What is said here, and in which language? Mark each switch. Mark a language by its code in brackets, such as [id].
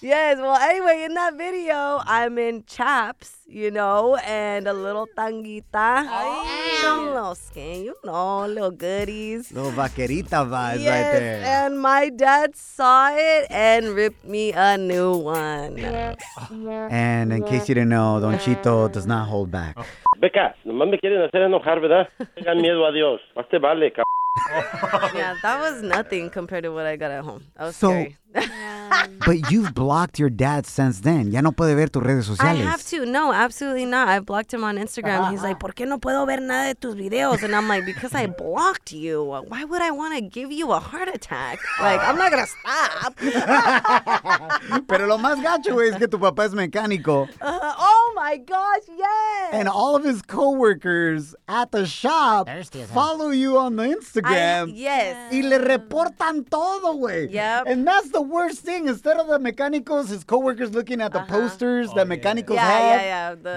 [en] Yes, well, anyway, in that video, I'm in chaps, you know, and a little tanguita. You know, little goodies. Little vaquerita vibes yes, right there. And my dad saw it and ripped me a new one. And in case you didn't know, Don Chito does not hold back. [es] Beca, nomás me quieren hacer enojar, ¿verdad? Tengan miedo a Dios. Más te vale, cabrón. [en] Yeah, that was nothing compared to what I got at home. That was so scary. But you've blocked your dad since then. [es] Ya no puede ver tus redes sociales. [en] I have to. No, absolutely not. I blocked him on Instagram. Uh-huh. He's like, [es] ¿por qué no puedo ver nada de tus videos? [en] And I'm like, because I blocked you. Why would I want to give you a heart attack? Like, I'm not going to stop. [es] Pero lo más gacho es que tu papá es mecánico. [en] Oh, my gosh, yes. And all of his coworkers at the shop follow you on the Instagram. Yes. [es] Y le reportan todo, güey. [en] Yep. And that's the worst thing. Instead of the mechanicals, his coworkers looking at the posters that mechanicals yeah. have. Yeah, yeah, yeah.